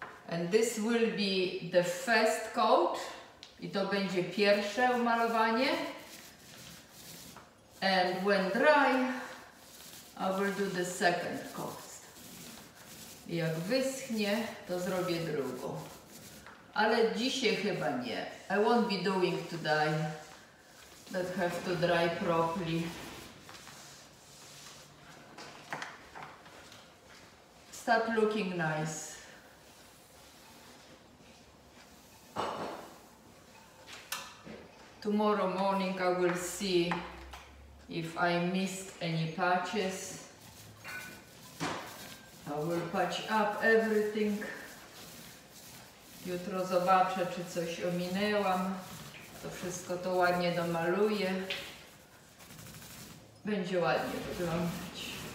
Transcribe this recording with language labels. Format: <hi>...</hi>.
<en>And this will be the first coat.</en> <pl>I to będzie pierwsze umalowanie.</pl> <en>And when dry, I will do the second coat.</en> <pl>I jak wyschnie, to zrobię drugą. Ale dzisiaj chyba nie.</pl> <en>I won't be doing today. That have to dry properly. Start looking nice. Tomorrow morning I will see if I missed any patches. I will patch up everything.</en> <pl>Jutro zobaczę, czy coś ominęłam. To wszystko to ładnie domaluję. Będzie ładnie wyglądać.</pl>